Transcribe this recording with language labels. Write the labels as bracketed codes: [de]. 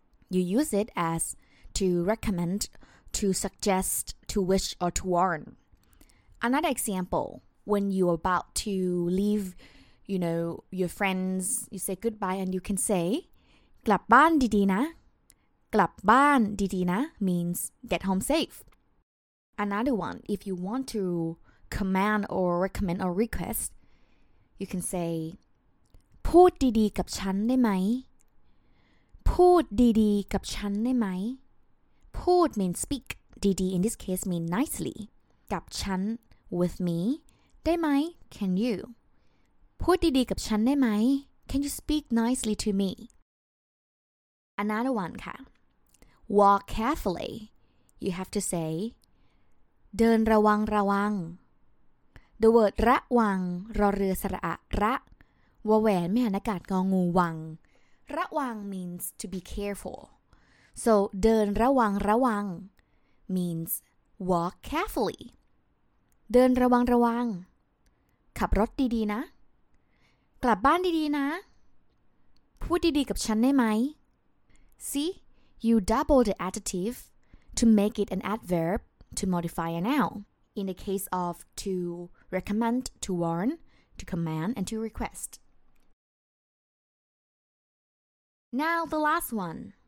[en] You use it as to recommend, to suggest, to wish, or to warn. Another example, when you're about to leave, you know, your friends, you say goodbye and you can say, [th] กลับบ้านดีๆนะ กลับบ้านดีๆนะ [en] means get home safe. Another one, if you want to command or recommend or request, you can say, [th] พูดดีๆกับฉันได้ไหมพูดดีๆกับฉันได้ไหม [en] พูด means speak. ดีๆ in this case mean nicely. [th] กับฉัน [en] with me. [th] ได้ไหม [en] Can you? [th] พูดดีๆกับฉันได้ไหม [en] Can you speak nicely to me? Another one ค่ะ Walk carefully. You have to say [th] เดินระวังระวัง [en] The word [th] ระวังรอเรือสระอะระวแหวนไม่หันอากาศกองูวัง [en] ระวัง means to be careful. So, [th] เดินระวังระวัง [en] means walk carefully. [th] เดินระวังระวังขับรถดีๆนะกลับบ้านดีๆนะพูดดีๆกับฉันได้ไหม [en] See, you double the adjective to make it an adverb to modify a noun. In the case of to recommend, to warn, to command, and to request. Now the last one.